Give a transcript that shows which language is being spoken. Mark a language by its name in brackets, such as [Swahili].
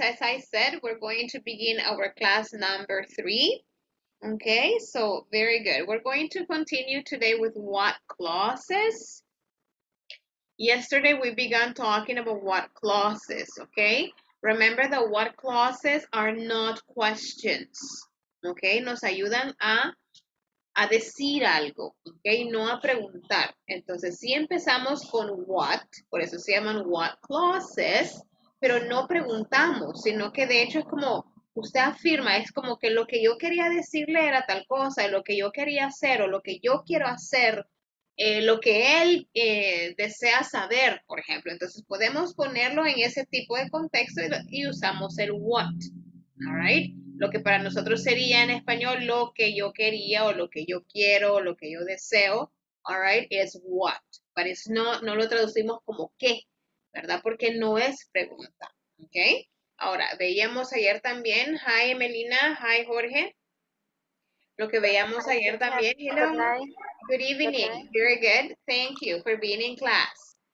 [English] As I said, we're going to begin our class number 3. Okay, so very good. We're going to continue today with what clauses. Yesterday, we began talking about what clauses, okay? Remember that what clauses are not questions, okay? [Spanish] Nos ayudan a decir algo, okay, no a preguntar. Entonces, si empezamos con what, por eso se llaman what clauses, pero no preguntamos, sino que de hecho es como, usted afirma, es como que lo que yo quería decirle era tal cosa, lo que yo quería hacer o lo que yo quiero hacer, lo que él desea saber, por ejemplo. Entonces, podemos ponerlo en ese tipo de contexto y usamos el what, all right? Lo que para nosotros sería en español lo que yo quería o lo que yo quiero o lo que yo deseo, all right, [English] is what. But it's not, [Spanish] no lo traducimos como qué, ¿verdad? Porque no es pregunta, ¿ok? Ahora, veíamos ayer también, [English] hi, [Spanish] Melina, hi, Jorge. Lo que veíamos ayer también, [English] hello. Good evening, very good, thank you for being in class.